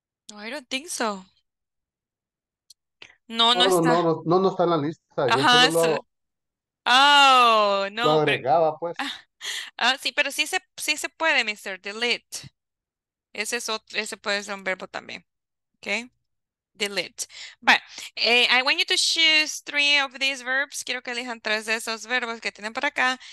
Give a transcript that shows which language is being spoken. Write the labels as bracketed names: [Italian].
[English] No, I don't think so. [Spanish] No, no está. No está en la lista. Ajá, lo agregaba, pues. Sí, pero sí se puede, mister, delete. Ese es otro, ese puede ser un verbo también. [English] Okay. Delete. But I want you to choose three of these verbs. [Spanish] Quiero que elijan tres de esos verbos que tienen por acá.